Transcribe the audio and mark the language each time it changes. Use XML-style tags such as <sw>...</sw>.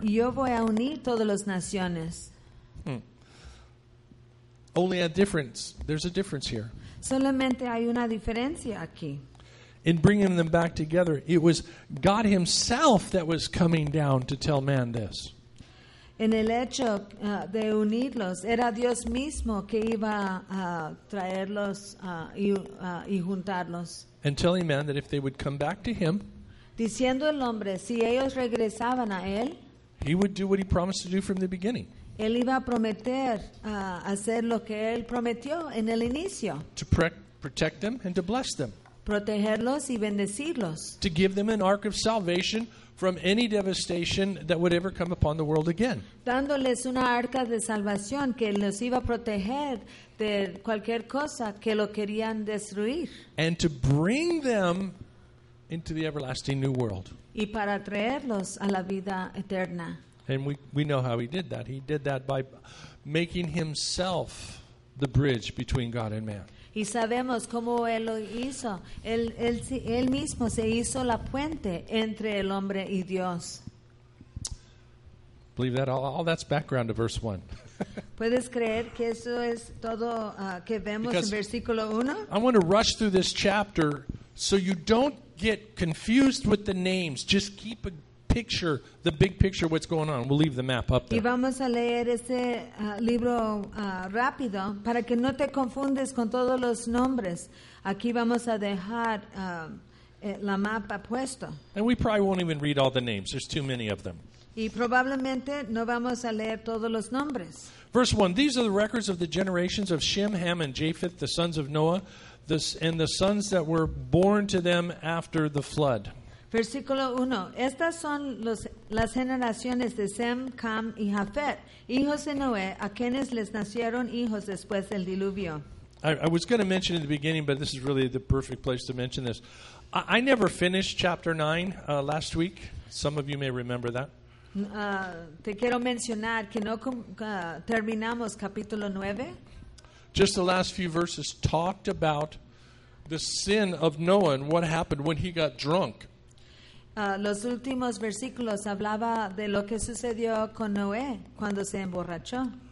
<es>Yo voy a unir todas las naciones.</es> <en>Only a difference. There's a difference here.</en> <es>Solamente hay una diferencia aquí.</es> <en>In bringing them back together, it was God Himself that was coming down to tell man this.</en> <es>En el hecho de unirlos, era Dios mismo que iba a traerlos y juntarlos.</es> <en>And telling man that if they would come back to Him,</en> <es>diciendo el hombre si ellos regresaban a él,</es> <en>He would do what He promised to do from the beginning.</en> <es>Él iba a prometer hacer lo que él prometió en el inicio.</es> <en>To protect them and to bless them.</en> <es>Protegerlos y bendecirlos.</es> <en>To give them an ark of salvation from any devastation that would ever come upon the world again.</en> <es>Dándoles una arca de salvación que los iba a proteger de cualquier cosa que lo querían destruir.</es> <en>And to bring them into the everlasting new world.</en> <es>Y para traerlos a la vida eterna.</es> <en>And we know how he did that. He did that by making himself the bridge between God and man.</en> <es>Y sabemos cómo él lo hizo. Él mismo se hizo la puente entre el hombre y Dios.</es> <en>Believe that all that's background to verse 1.</en> <es>¿Puedes creer que eso es todo que vemos en versículo 1?</es> <en>I want to rush through this chapter so you don't get confused with the names. Just keep a picture, the big picture, what's going on. We'll leave the map up there.</en> <es>Y vamos a leer ese libro rápido para que no te confundes con todos los nombres. Aquí vamos a dejar la mapa puesto.</es> <en>And we probably won't even read all the names. There's too many of them.</en> <es>Y probablemente no vamos a leer todos los nombres.</es> <en>Verse 1, these are the records of the generations of Shem, Ham, and Japheth, the sons of Noah, and the sons that were born to them after the flood.</en> <es>Versículo 1, estas son las generaciones de Shem, Ham, y Japheth, hijos de Noé, a quienes les nacieron hijos después del diluvio.</es> <en>I was going to mention in the beginning, but this is really the perfect place to mention this. I never finished chapter 9 last week. Some of you may remember that.</en> <es>Te quiero mencionar que no terminamos capítulo 9.</es> <en>Just the last few verses talked about the sin of Noah and what happened when he got drunk.</en> <es>Los últimos versículos hablaba de lo que sucedió con Noé cuando se emborrachó.</es>